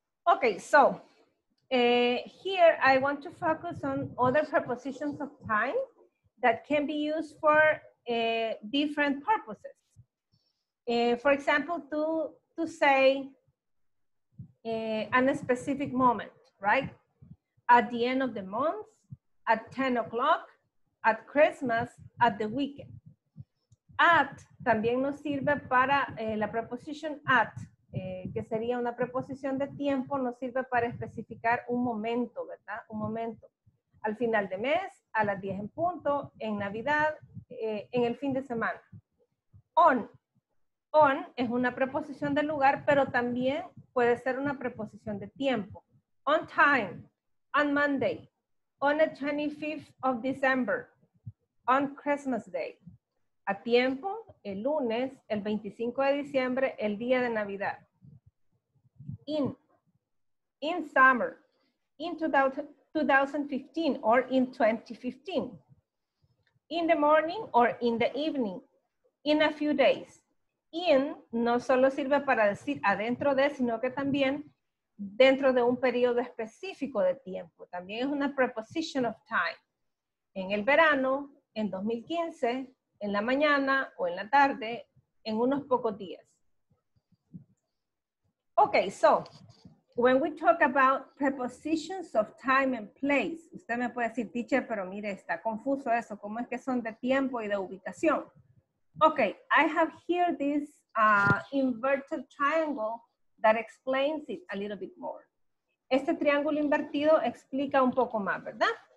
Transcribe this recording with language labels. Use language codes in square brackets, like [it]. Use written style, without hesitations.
[en] Okay, so here I want to focus on other prepositions of time that can be used for different purposes. For example, to say a specific moment, right? At the end of the month, at 10 o'clock, at Christmas, at the weekend. [es] At también nos sirve para la preposición at, que sería una preposición de tiempo, nos sirve para especificar un momento, ¿verdad? Un momento. Al final de mes, a las 10 en punto, en Navidad, en el fin de semana. On. On es una preposición de lugar, pero también puede ser una preposición de tiempo. [en] On time. On Monday. On the 25th of December. On Christmas Day. [es] A tiempo, el lunes, el 25 de diciembre, el día de Navidad. [en] In summer, in 2015 or in 2015. In the morning or in the evening, in a few days. [es] In no solo sirve para decir adentro de, sino que también dentro de un periodo específico de tiempo. También es una [en] preposition of time. [es] En el verano, en 2015, en la mañana o en la tarde, en unos pocos días. [en] Okay, so when we talk about prepositions of time and place, [es] usted me puede decir, teacher, pero mire, está confuso eso. ¿Cómo es que son de tiempo y de ubicación? [en] Okay, I have here this inverted triangle that explains it a little bit more. [es] Este triángulo invertido explica un poco más, ¿verdad?